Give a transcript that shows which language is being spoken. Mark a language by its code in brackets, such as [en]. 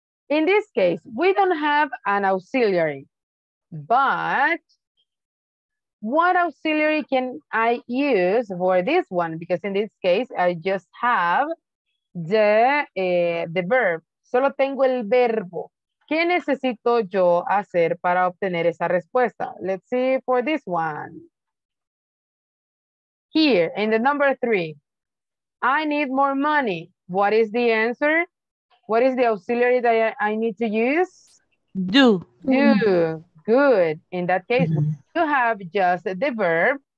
[en] In this case, we don't have an auxiliary, but what auxiliary can I use for this one? Because in this case, I just have the verb. [es] Solo tengo el verbo. ¿Qué necesito yo hacer para obtener esa respuesta? [en] Let's see for this one. Here, in the number three, I need more money. What is the answer? What is the auxiliary that I need to use? Do. Do. Mm-hmm. Good. In that case, mm-hmm. You have just the verb.